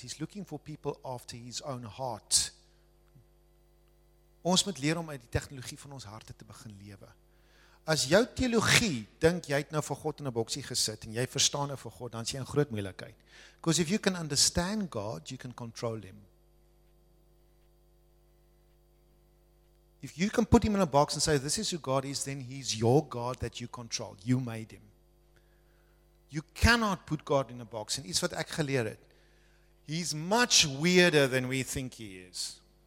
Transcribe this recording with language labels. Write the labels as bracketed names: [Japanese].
[English] He's looking for people after his own heart. [Afrikaans] Ons moet leer om uit die tegnologie van ons harte te begin lewe. As jou teologie dink jy het nou vir God in 'n boksie gesit en jy verstaan nou vir God, dan is jy in groot moeilikheid. [English] Because if you can understand God, you can control him. If you can put him in a box and say, this is who God is, then he's your God that you control. You made him. You cannot put God in a box. And [Afrikaans] iets wat ek geleer het, [English] he's much weirder than we think he is.